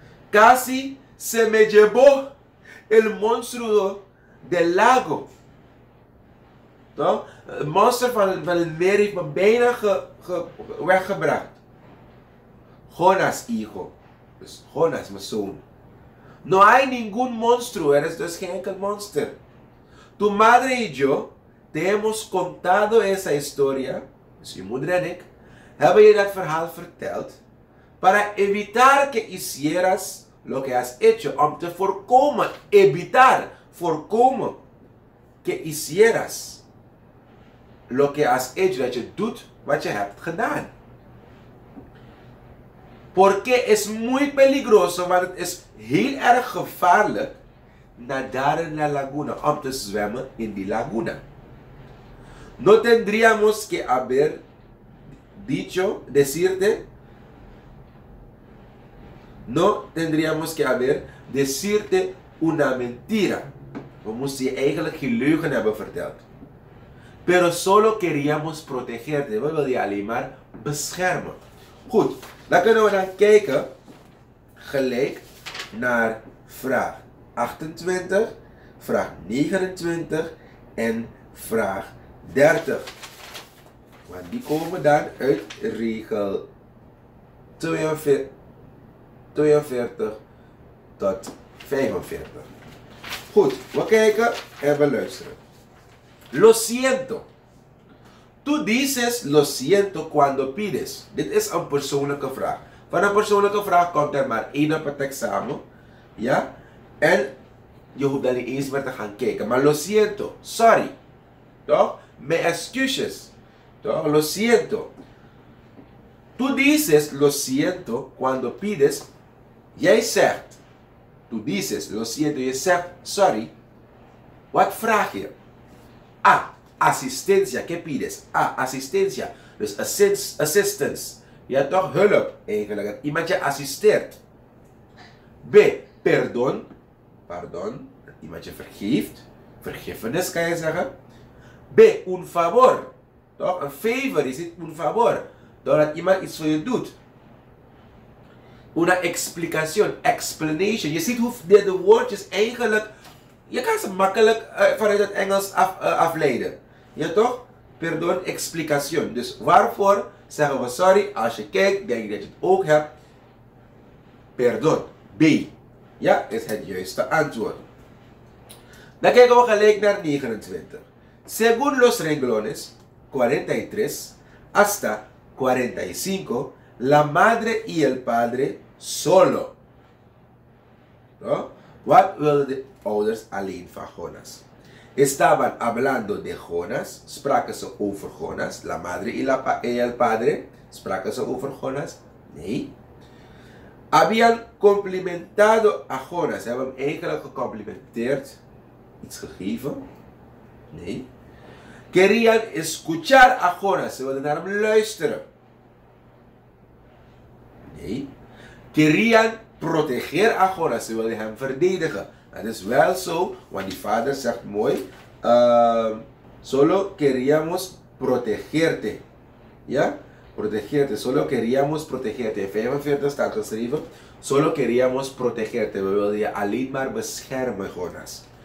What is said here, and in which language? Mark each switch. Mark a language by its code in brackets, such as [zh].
[es] Casi se me llevó el monstruo del lago. [nl] Toch? Een monster van het meer heeft me bijna weggebracht. [es] Jonas, hijo. [nl] Dus Jonas, mijn zoon. [es] No hay ningún monstruo, [nl] er is dus geen enkel monster. [es] Tu madre y yo te hemos contado esa historia, [nl] dus je moeder en ik, hebben je dat verhaal verteld, [es] para evitar que hicieras lo que has hecho, [nl] om te voorkomen, [es] evitar, [nl] voorkomen, [es] que hicieras lo que has hecho, [nl] dat je doet wat je hebt gedaan. [es] Porque es muy peligroso, [nl] want het is heel erg gevaarlijk, [es] nadar en la laguna, [nl] om te zwemmen in die laguna. [es] No tendríamos que haber dicho, decirte, no tendríamos que haber decirte una mentira. [nl] We moesten je eigenlijk geen leugen hebben verteld. [es] Pero solo queríamos protegerte, [nl] we wilden je alleen maar beschermen. Goed. Dan kunnen we dan kijken gelijk naar vraag 28, vraag 29 en vraag 30. Want die komen dan uit regel 42 tot 45. Goed, we kijken en we luisteren. [es] Lo siento. Tú dices lo siento cuando pides. [nl] Dit is een persoonlijke vraag. Van een persoonlijke vraag komt er maar één op het examen. Ja? En je hoeft dan niet eens meer te gaan kijken. Maar lo siento. Sorry. Toch? Me excuses. Toch? Lo siento. [es] Tú dices lo siento cuando pides. [nl] Jij zegt. [es] Tú dices lo siento. [nl] Je zegt sorry. Wat vraag je? Ah. [es] Asistencia, ¿qué pides? Ah, asistencia. Dus assistance. [nl] Ya toch hulp, eigenlijk. Iemand je assisteert. B, perdón. Pardon, iemand je vergeeft. Vergiffenis kan je zeggen. B, un favor. Toch, een favor is niet un favor. doordat iemand iets voor je doet. [es] Una explicación, explanation. [nl] Je ziet hoe de woordjes eigenlijk, je kan ze makkelijk vanuit het Engels afleiden. Ja toch? Perdón, explicación. Dus waarvoor zeggen we sorry? Als je kijkt, denk je dat je het ook hebt. Perdón, B. Ja, is het juiste antwoord. Dan kijken we gelijk naar 29. [es] Según los renglones, 43 hasta 45, la madre y el padre solo. ¿No? [nl] Wat wilden de ouders alleen van Jonas? [es] Estaban hablando de Jonas, [nl] spraken ze over Jonas. [es] La madre y el padre, [nl] spraken ze over Jonas? Nee. [es] Habían complimentado a Jonas. [nl] Ze hebben hem eigenlijk gecomplimenteerd. Iets gegeven? Nee. [es] Querían escuchar a Jonas. [nl] Ze wilden naar hem luisteren. Nee. [es] Querían proteger a Jonas. [nl] Ze wilden hem verdedigen. Dat is wel zo, want die vader zegt mooi. [es] Solo queríamos protegerte. Ja? Protegerte. Solo queríamos protegerte. [nl] 45 staat geschreven. [es] Solo queríamos protegerte. [nl] We wilden je alleen maar beschermen, Jonas.